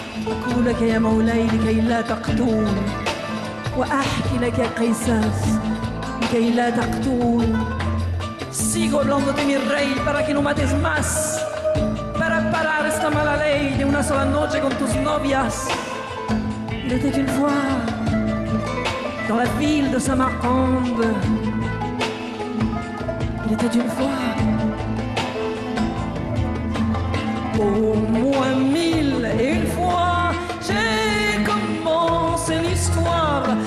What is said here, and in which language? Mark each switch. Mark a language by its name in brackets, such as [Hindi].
[Arabic] أقول لك يا مولاي لكي لا تقتل وأحكي لك يا قيصر لكي لا تقتل. [Spanish] Sigo hablando de mi rey para que no mates más. Para parar esta mala ley de una sola noche con tus novias. [French] Il était une fois dans la ville de Saint-Marcande. Il était une fois. Au moins mille et une fois, j'ai commencé l'histoire.